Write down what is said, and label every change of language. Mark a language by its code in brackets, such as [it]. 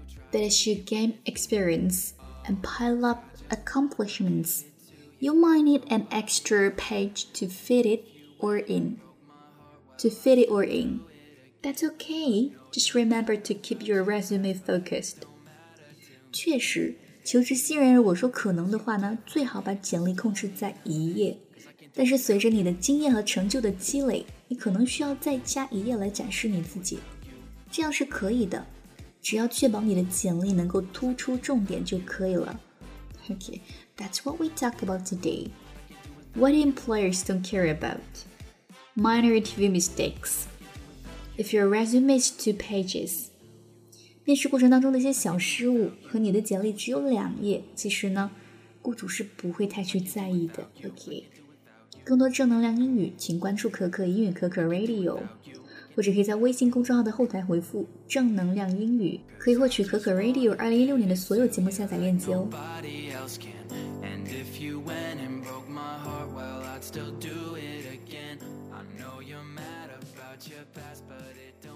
[en] But as you gain experience and pile upaccomplishments, you might need an extra page to fit it or in. That's okay, just remember to keep your resume focused. [zh] 确实，求职新人如果说可能的话呢，最好把简历控制在一页。但是随着你的经验和成就的积累，你可能需要再加一页来展示你自己。这样是可以的，只要确保你的简历能够突出重点就可以了。 [en] Okay, that's what we talk about today. What employers don't care about? Minor interview mistakes. If your resume is 2 pages. [zh] 面试过程当中的一些小失误和你的简历只有两页，其实呢，雇主是不会太去在意的。 [en] Okay. [zh] 更多正能量英语，请关注可可英语可可 Radio， 或者可以在微信公众号的后台回复正能量英语，可以获取可可 Radio 2016年的所有节目下载链接哦。 [en] And if you went and broke my heart, well, I'd still do it again. I know you're mad about your past, but it's